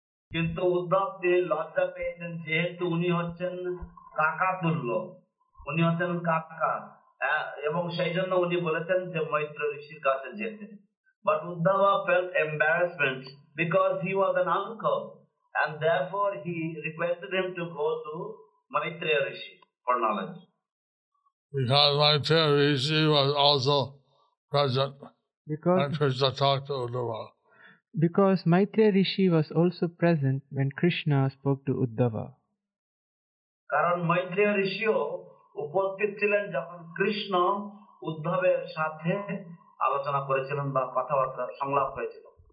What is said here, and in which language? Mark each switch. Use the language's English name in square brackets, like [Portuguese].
[Bangla] কিন্তু উদ্ধব তিনি লজ্জা পেয়েছেন যেহেতু উনি হচ্ছেন কাকা তুল্য, উনি হচ্ছেন কাকা, এবং সেই জন্য উনি বলেছেন যে মৈত্র ঋষির কাছে যেতে. [English] But Uddhava felt embarrassment because he was an uncle and therefore he requested him to go to Maitreya Rishi for knowledge. Because Maitreya Rishi was also present when Krishna talked to Uddhava. Because Maitreya Rishi was also present when Krishna spoke to Uddhava. [Bangla] কারণ মৈত্রেয় ঋষিও উপস্থিত ছিলেন যখন কৃষ্ণ উদ্ধবের সাথে আলোচনা করেছিলেন বা কথাবার্তা সংলাপ হয়েছিল.